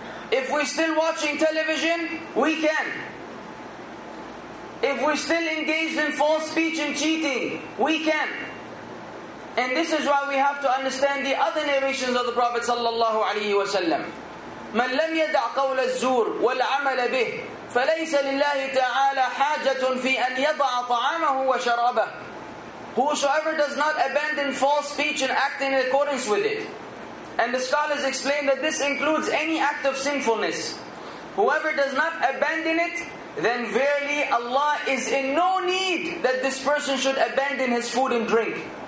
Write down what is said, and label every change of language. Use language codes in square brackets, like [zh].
[en] If we're still watching television, we can. If we're still engaged in false speech and cheating, we can. And this is why we have to understand the other narrations of the Prophet sallallahu alaihi wasallam. [ar] من لم يدع قول الزور والعمل به فليس لله تعالى حاجة في أن يضع طعامه وشرابه. [en] Whosoever does not abandon false speech and act in accordance with it. And the scholars explain that this includes any act of sinfulness. Whoever does not abandon it, then verily Allah is in no need that this person should abandon his food and drink.